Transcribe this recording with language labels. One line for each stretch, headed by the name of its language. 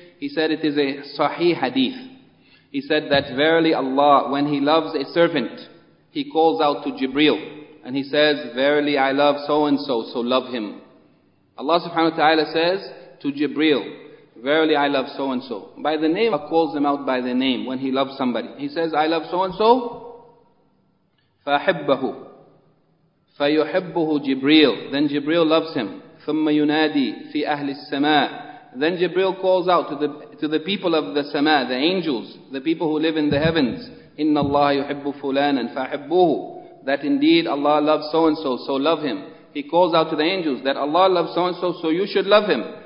English: He said it is a sahih hadith. He said that verily Allah, when He loves a servant, He calls out to Jibreel and He says, verily I love so and so, so love him. Allah subhanahu wa ta'ala says to Jibreel, verily I love so and so. By the name, Allah calls them out by their name when He loves somebody. He says, I love so and so.
Arabic: فَأَحِبَّهُ فَيُحِبُّهُ Jibreel.
English: Then Jibreel loves him.
Arabic: ثُمَّ يُنَادِي فِي أَهْلِ السَّمَاءِ.
English: Then Jibreel calls out to the people of the Sama, the angels, the people who live in the heavens.
Arabic: إِنَّ اللَّهَ يُحِبُّ فُلَانًا فَأَحِبُّهُ.
English: That indeed Allah loves so-and-so, so love him. He calls out to the angels that Allah loves so-and-so, so you should love him.